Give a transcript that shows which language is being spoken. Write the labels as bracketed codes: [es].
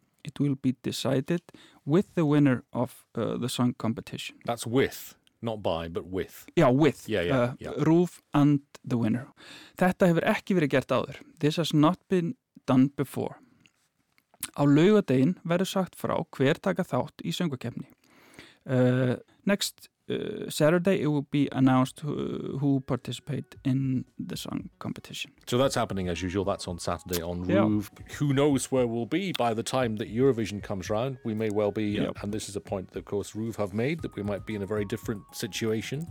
[en] It will be decided with the winner of the song competition. That's with. Not by, but with. Já, with. Yeah, yeah, yeah. Roof and the winner. [is] Þetta hefur ekki verið gert áður. [en] This has not been done before. [is] Á laugardaginn verður sagt frá hver taka þátt í söngvakeppni. [en] Next Saturday it will be announced who participate in the song competition. So that's happening as usual. That's on Saturday on Roof. Who knows where we'll be by the time that Eurovision comes round? We may well be, and this is a point that, of course, Roof have made, that we might be in a very different situation.